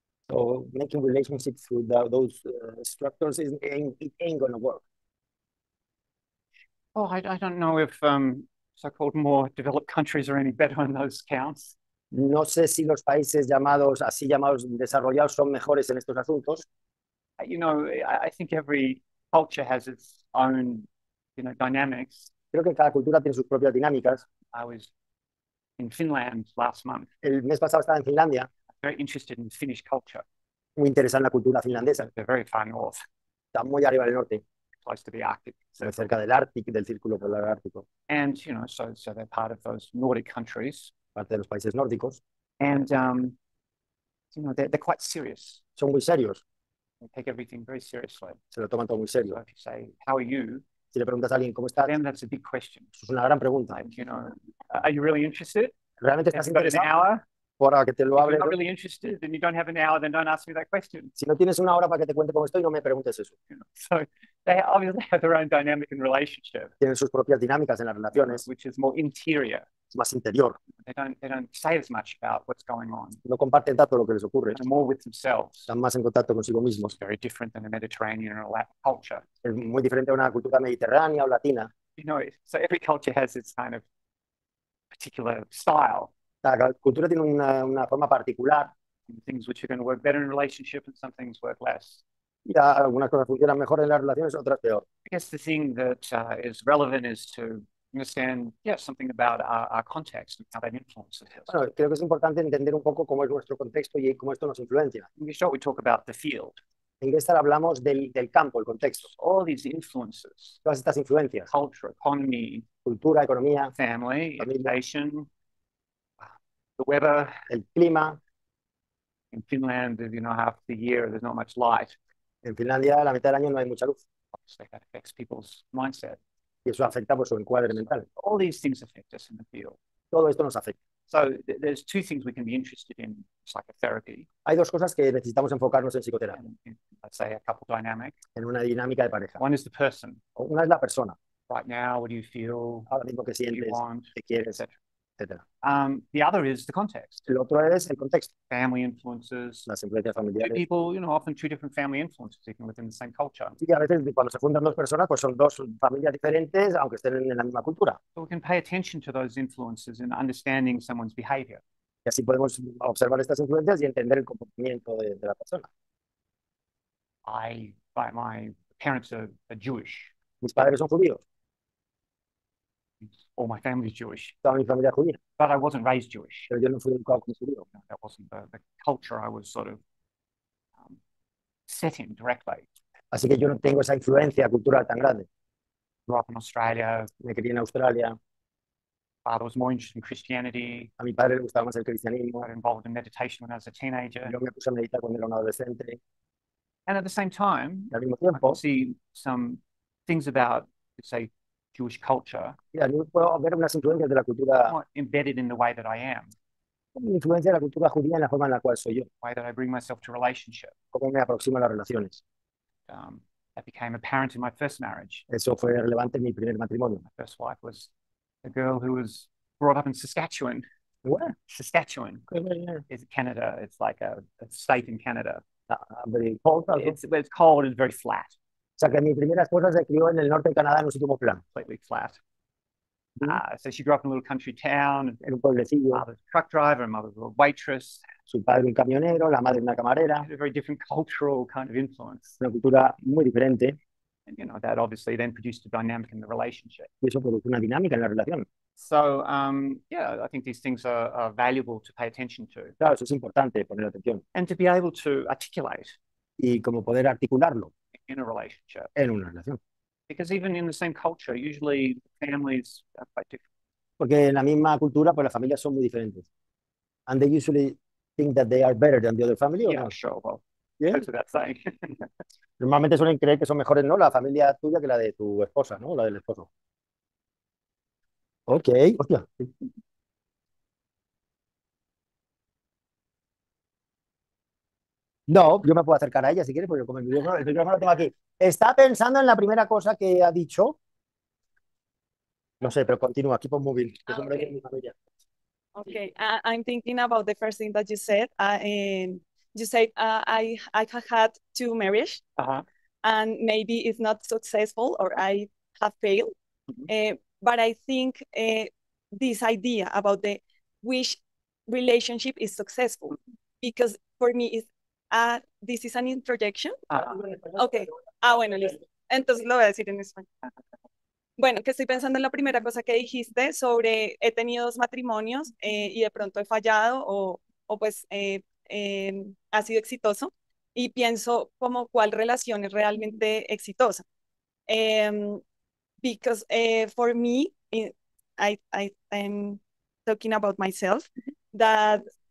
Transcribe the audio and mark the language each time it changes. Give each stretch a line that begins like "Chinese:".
English: So making relationships through those structures, it ain't gonna work. Oh, I don't know if so-called more developed countries are any better on those counts.
Spanish: No sé si los países llamados así llamados desarrollados son mejores en estos asuntos.
English: You know, I think every culture has its own, you know, dynamics.
Spanish: Creo que cada cultura tiene sus propias dinámicas.
English: I was in Finland last month.
Spanish: El mes pasado estaba en Finlandia.
English: Very interested in Finnish culture.
Spanish: Muy interesada en la cultura finlandesa.
English: They're very far north.
Spanish: Está muy arriba del norte.
English: Close to the Arctic. Circle.
Spanish: Cerca del Ártico, del círculo polar ártico.
English: And you know, so they're part of those Nordic countries.
Spanish: Parte de los países nórdicos.
English: And you know, they're quite serious.
Spanish: Son muy serios.
English: They take everything very seriously.
Spanish: Se lo toman todo muy serio.
English: So if you say, "How are you?"
Spanish: Si le preguntas a alguien cómo estás,
English: then that's a big question.
Spanish: Es una gran pregunta.
English: Like, you know, are you really interested?
Spanish: ¿Realmente estás
English: Have you got
Spanish: interesado?
English: An hour?
Spanish: Ahora que te lo
English: If you're
Spanish: hable.
English: not really interested, then you don't have an hour, then don't ask me that question.
Spanish: Si no tienes una hora para que te cuente cómo estoy, no me preguntes eso.
English: You know, so they obviously have their own dynamic and relationship,
Spanish: Tienen sus propias dinámicas en las relaciones.
English: Which is more interior.
Spanish: Es más interior.
English: They don't say as much about what's going on.
Spanish: No comparten tanto lo que les ocurre.
English: They're more with themselves.
Spanish: Están más en contacto consigo mismos.
English: It's very different than a Mediterranean or a Latin culture.
Spanish: Es muy diferente a una cultura mediterránea o latina.
English: You know, so every culture has its kind of particular style.
Spanish: La cultura tiene una forma particular.
English: Things which are going to work better in relationship and some things work less.
Spanish: Ya, algunas cosas funcionan mejor en las relaciones, otras peor.
English: I guess the thing that is relevant is to understand, yeah, something about our context and how that influences us.
Spanish: Bueno, creo que es importante entender un poco cómo es nuestro contexto y cómo esto nos influencia.
English: In short, we talk about the field.
Spanish: En esta hablamos del campo, el contexto.
English: All these influences.
Spanish: Todas estas influencias.
English: Culture, economy.
Spanish: Cultura, economía.
English: Family,
Spanish: familia,
English: education. The weather.
Spanish: El clima.
English: In Finland, you know, half the year, there's not much light.
Spanish: En Finlandia, la mitad del año no hay mucha luz.
English: Obviously, that affects people's mindset.
Spanish: Y eso afecta por su encuadre mental.
English: All these things affect us in the field.
Spanish: Todo esto nos afecta.
English: So there's two things we can be interested in psychotherapy.
Spanish: Hay dos cosas que necesitamos enfocarnos en psicoterapia.
English: Let's say a couple dynamic.
Spanish: En una dinámica de pareja.
English: One is the person.
Spanish: Una es la persona.
English: Right now, what do you feel?
Spanish: Ahora mismo que
English: what
Spanish: sientes,
English: do you want?
Spanish: Qué quieres, etc.
English: The other is the context.
Spanish: El otro es el contexto.
English: Family influences.
Spanish: Las influencias familiares.
English: Two people, you know, often two different family influences, even within the same culture.
Spanish: Y a veces cuando se juntan dos personas, pues son dos familias diferentes, aunque estén en la misma cultura.
English: So we can pay attention to those influences and understanding someone's behavior.
Spanish: Y así podemos observar estas influencias y entender el comportamiento de la persona.
English: My parents are Jewish.
Spanish: Mis padres son judíos.
English: All my family is Jewish.
Spanish: Toda mi familia judía.
English: But I wasn't raised Jewish.
Spanish: Pero yo no fui educado como judío.
English: No, that wasn't the culture I was sort of set in directly.
Spanish: Así que yo no tengo esa influencia cultural tan grande.
English: Grew up in Australia.
Spanish: Me crié en Australia.
English: Father was more interested in Christianity.
Spanish: A mi padre le gustaba más el cristianismo.
English: I got involved in meditation when I was a teenager.
Spanish: Yo me puse a meditar cuando era un adolescente.
English: And at the same time,
Spanish: y al mismo tiempo,
English: I could see some things about, say, Jewish culture.
Spanish: Yeah, yo puedo ver unas influencias de la cultura.
English: Not embedded in the way that I am.
Spanish: Influencia de la cultura judía en la forma en la cual soy yo.
English: The way that I bring myself to relationship.
Spanish: Cómo me aproximo a las relaciones.
English: That became apparent in my first marriage.
Spanish: Eso fue relevante en mi primer matrimonio.
English: My first wife was a girl who was brought up in Saskatchewan. Where? Saskatchewan. It's Canada. It's like a state in Canada. It's cold and very flat.
Spanish: O sea, que mi primera esposa se crió en el norte de Canadá en un sitio muy plano.
English: Completely flat. So she grew up in a little country town.
Spanish: En un pueblecillo.
English: Mother's a truck driver, mother's a waitress.
Spanish: Su padre un camionero, la madre una camarera.
English: A very different cultural kind of influence.
Spanish: Una cultura muy diferente.
English: And you know, that obviously then produced a dynamic in the relationship.
Spanish: Y eso produjo una dinámica en la relación.
English: So, yeah, I think these things are valuable to pay attention to.
Spanish: Claro, eso es importante poner atención.
English: And to be able to articulate.
Spanish: Y como poder articularlo.
English: In a relationship.
Spanish: En una relación.
English: Because even in the same culture, usually families are quite different.
Spanish: Porque en la misma cultura, pues las familias son muy diferentes.
English: And they usually think that they are better than the other family, or yeah, not? Sure. Well, yeah. Goes without saying.
Spanish: Normalmente suelen creer que son mejores, ¿no? La familia tuya que la de tu esposa, ¿no? La del esposo. Ok. Hostia. No, yo me puedo acercar a ella si quiere, porque con el micrófono lo tengo aquí. Está pensando en la primera cosa que ha dicho. No sé, pero continúa. Aquí por móvil. Que es
English: okay.
Spanish: Un de mi familia.
English: Okay, I'm thinking about the first thing that you said. You said I have had two marriages, and maybe it's not successful or I have failed. But I think this idea about the which relationship is successful, because for me is. This is an introduction. Okay.
Spanish: Bueno, listo. Entonces lo voy a decir en español. Bueno, que estoy pensando en la primera cosa que dijiste sobre he tenido dos matrimonios y de pronto he fallado o pues ha sido exitoso y pienso como cuál relación es realmente exitosa.
English: Because for me, I am talking about myself that.